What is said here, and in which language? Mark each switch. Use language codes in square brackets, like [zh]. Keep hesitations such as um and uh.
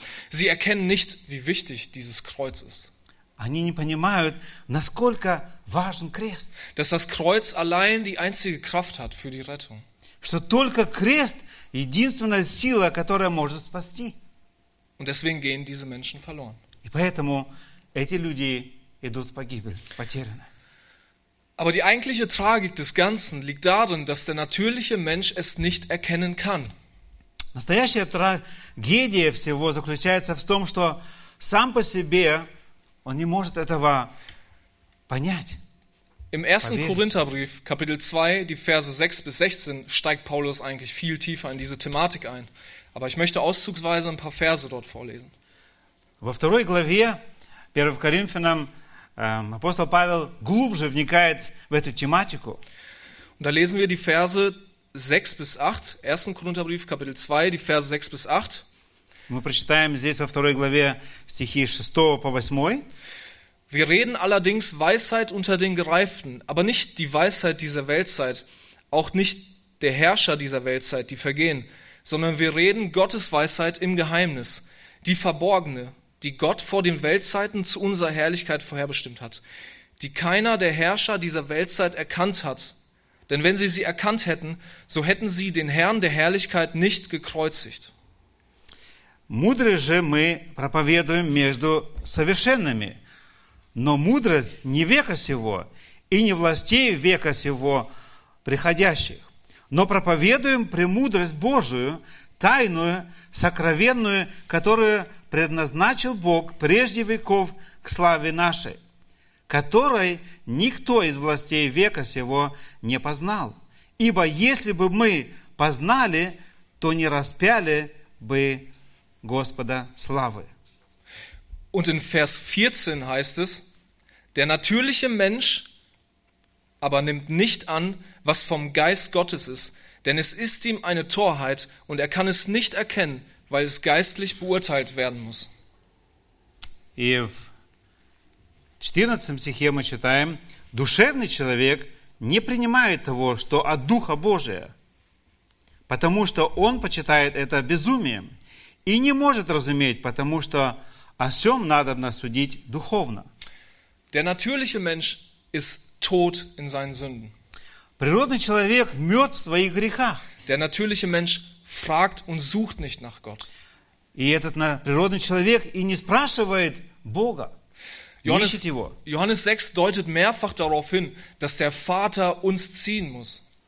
[de] Sie erkennen nicht, wie wichtig dieses Kreuz ist. Sie erkennen nicht, wie wichtig dieses Kreuz ist [ru] важен крест. [de] Dass das Kreuz allein die einzige Kraft hat für die Rettung. [ru] Что только крест единственная сила, которая может спасти. [de] Und deswegen gehen diese Menschen verloren. [ru] И поэтому эти люди идут погибель, потеряны. [de] Aber die eigentliche Tragik des Ganzen liegt darin, dass der natürliche Mensch es nicht erkennen kann. [ru] Настоящая трагедия всего заключается в том, что сам по себе он не может этого Понять, [de] Im ersten [ru] поверить. [de] Korintherbrief, Kapitel 2, die Verse 6 bis 16, steigt Paulus eigentlich viel tiefer in diese Thematik ein. Aber ich möchte auszugsweise ein paar Verse dort vorlesen. [ru] Во второй главе, 1 Коринфянам, апостол Павел глубже вникает в эту тематику. [de] Und da lesen wir die Verse 6 bis 8, 1. Korintherbrief, Kapitel 2, die Verse 6 bis 8. [ru] Мы прочитаем здесь во второй главе стихи 6 по 8. [de] Wir reden allerdings Weisheit unter den Gereiften, aber nicht die Weisheit dieser Weltzeit, auch nicht der Herrscher dieser Weltzeit, die vergehen, sondern wir reden Gottes Weisheit im Geheimnis, die Verborgene, die Gott vor den Weltzeiten zu unserer Herrlichkeit vorherbestimmt hat, die keiner der Herrscher dieser Weltzeit erkannt hat. Denn wenn sie sie erkannt hätten, so hätten sie den Herrn der Herrlichkeit nicht gekreuzigt. [ru] Мудрость же мы проповедуем между совершенными, но мудрость не века сего и не властей века сего приходящих. Но проповедуем премудрость Божию, тайную, сокровенную, которую предназначил Бог прежде веков к славе нашей, которой никто из властей века сего не познал. Ибо если бы мы познали, то не распяли бы Господа славы. [de] Und in Vers 14 heißt es, der natürliche Mensch aber nimmt nicht an, was vom Geist Gottes ist, denn es ist ihm eine Torheit und er kann es nicht erkennen, weil es geistlich beurteilt werden muss. [ru] И в 14 стихе мы читаем, душевный человек не принимает того, что от Духа Божия, потому что он почитает это безумием и не может разуметь, потому что О всем надо насудить духовно. [de] Der natürliche Mensch ist tot in seinen Sünden. [ru] Природный человек мертв в своих грехах. [de] Der natürliche Mensch fragt und sucht nicht nach Gott. [ru] И этот природный человек и не спрашивает Бога. [de] Johannes, Johannes 6 deutet mehrfach darauf hin, dass der Vater uns ziehen muss.